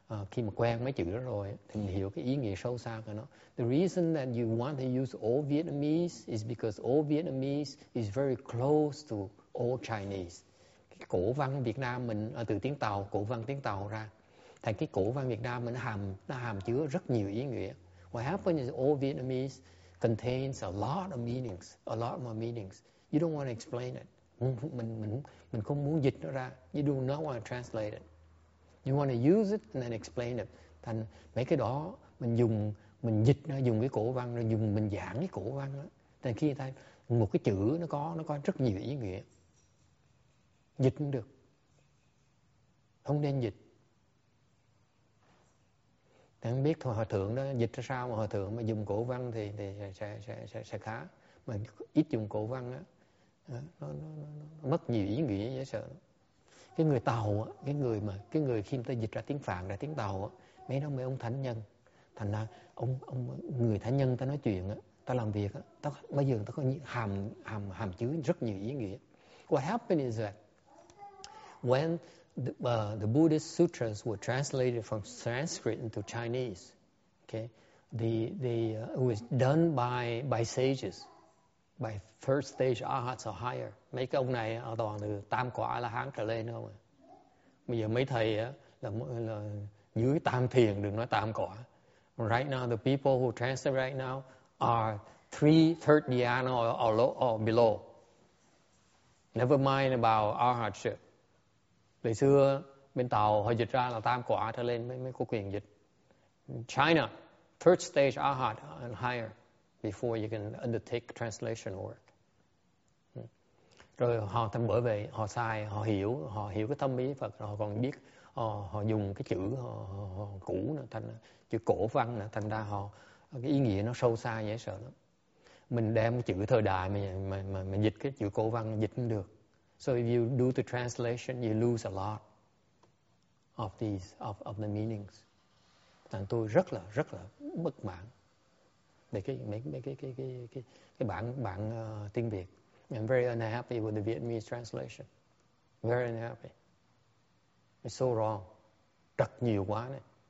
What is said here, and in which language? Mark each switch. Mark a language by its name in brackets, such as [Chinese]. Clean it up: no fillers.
[Vietnamese] Khi mà quen mấy chữ đó rồi thì mình hiểu cái ý nghĩa sâu xa của nó. [English] The reason that you want to use Old Vietnamese is because Old Vietnamese is very close to Old Chinese. [Vietnamese] Cái cổ văn Việt Nam mình từ tiếng Tàu, cổ văn tiếng Tàu ra. Thành cái cổ văn Việt Nam mình nó hàm chứa rất nhiều ý nghĩa. [English] What happens is Old Vietnamese contains a lot of meanings, a lot more meanings. You don't want to explain it. [Vietnamese] Mình không muốn dịch nó ra. [English] You do not want to translate it. You want to use it and then explain it. [Vietnamese] Thành mấy cái đó mình dùng, mình dịch nó, dùng cái cổ văn rồi dùng mình giảng cái cổ văn đó. Thành khi ta một cái chữ nó có rất nhiều ý nghĩa. Dịch cũng được. Không nên dịch. Thành biết thôi hòa thượng đó dịch ra sao mà hòa thượng mà dùng cổ văn thì sẽ khá. Mà ít dùng cổ văn á, nó mất nhiều ý nghĩa dễ sợ. Cái người Tàu á, cái người khi ta dịch ra tiếng Phạn, ra tiếng Tàu á, mấy đó mấy ông thánh nhân. Thành ra ông người thánh nhân ta nói chuyện á, ta làm việc á, ta bây giờ ta có hàm chứa rất nhiều ý nghĩa. [English] What happened is that when the Buddhist sutras were translated from Sanskrit into Chinese, okay, it was done by sages, by first stage arhats or higher. [Vietnamese] Mấy cái ông này toàn từ tam quả A-la-hán trở lên không ạ. Bây giờ mấy thầy là dưới tam thiền, đừng nói tam quả. [English] Right now, the people who translate right now are three third dhyana or below. Never mind about arhatship. [Vietnamese] Lời xưa bên Tàu họ dịch ra là tam quả trở lên mới có quyền dịch. [English] China, third stage arhat and higher. Before you can undertake translation work. [Vietnamese] Rồi họ thành bởi vậy, họ sai, họ hiểu cái tâm ý Phật, họ còn biết, họ dùng cái chữ họ cũ, nữa, thành chữ cổ văn, nữa, thành ra họ, cái ý nghĩa nó sâu xa dễ sợ lắm. Mình đem chữ thời đại mà dịch cái chữ cổ văn, dịch không được. [English] So if you do the translation, you lose a lot of the meanings. [Vietnamese] Thành tôi rất là bất mãn. Cái bản tiếng Việt. [English] I'm very unhappy with the Vietnamese translation. Very unhappy. It's so wrong. [Vietnamese] Trật nhiều quá này.